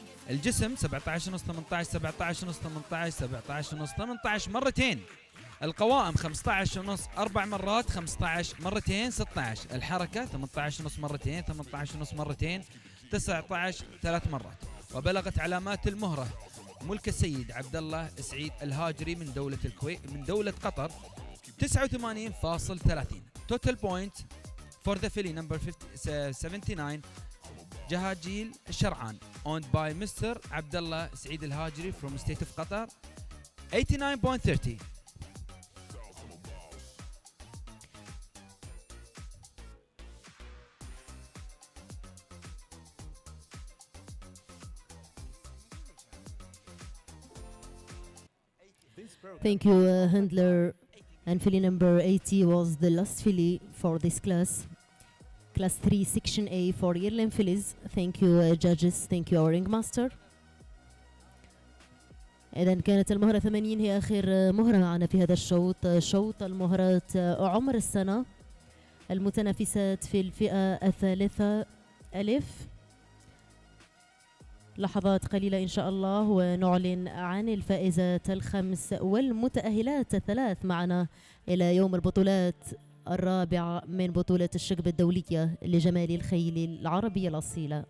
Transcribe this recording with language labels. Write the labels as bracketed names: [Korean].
[Arabic] الجسم 17.5 18.5 18.5 مرتين، القوائم 15.5 4 مرات 15 مرتين 16، الحركة 18.5 مرتين 18.5 مرتين 19 3 مرات، وبلغت علامات المهرة ملك السيد عبد الله سعيد الهاجري من دولة الكويت من دولة قطر 89.30. [English] Total points for the filly number 79 جهاجيل الشرعان owned by Mr. عبد الله سعيد الهاجري from state of Qatar 89.30. Thank you, handler. And filly number 80 was the last filly for this class. Class 3, Section A for yearling fillies. Thank you, judges. Thank you, our ringmaster. [Arabic] إذن كانت المهرة 80 هي آخر مهرة معنا في هذا الشوط. شوط المهرات عمر السنة. المتنافسات في الفئة 3000. لحظات قليلة إن شاء الله ونعلن عن الفائزات الخمس والمتأهلات الثلاث معنا إلى يوم البطولات الرابع من بطولة الشكب الدولية لجمال الخيل العربية الأصيلة.